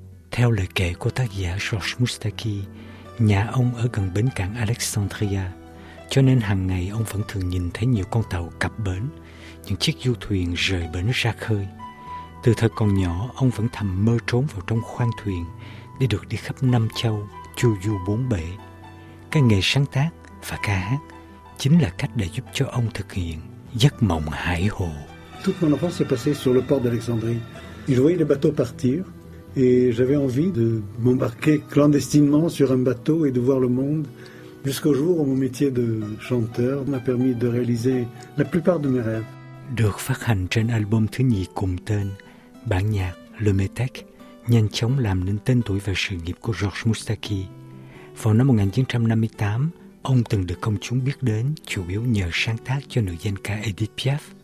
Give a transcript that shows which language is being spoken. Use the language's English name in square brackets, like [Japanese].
[Vietnamese] Theo lời kể của tác giả George Mustaki, nhà ông ở gần bến cảng Alexandria, cho nên hàng ngày ông vẫn thường nhìn thấy nhiều con tàu cập bến, những chiếc du thuyền rời bến ra khơi. Từ thời còn nhỏ, ông vẫn thầm mơ trốn vào trong khoang thuyền để được đi khắp năm châu, chu du bốn bể. Cái nghề sáng tác và ca hát chính là cách để giúp cho ông thực hiện giấc mộng hải hồ. [French] Toute mon enfance s'est passée sur le port d'Alexandrie. Je voyais les bateaux partir et j'avais envie de m'embarquer clandestinement sur un bateau et de voir le monde. Jusqu'au jour où mon métier de chanteur m'a permis de réaliser la plupart de mes rêves. [Vietnamese] Được phát hành trên album thứ nhì cùng tên, bản nhạc Le Metek nhanh chóng làm nên tên tuổi và sự nghiệp của George Mustaki. Vào năm 1958, ông từng được công chúng biết đến chủ yếu nhờ sáng tác cho nữ danh ca Edith Piaf.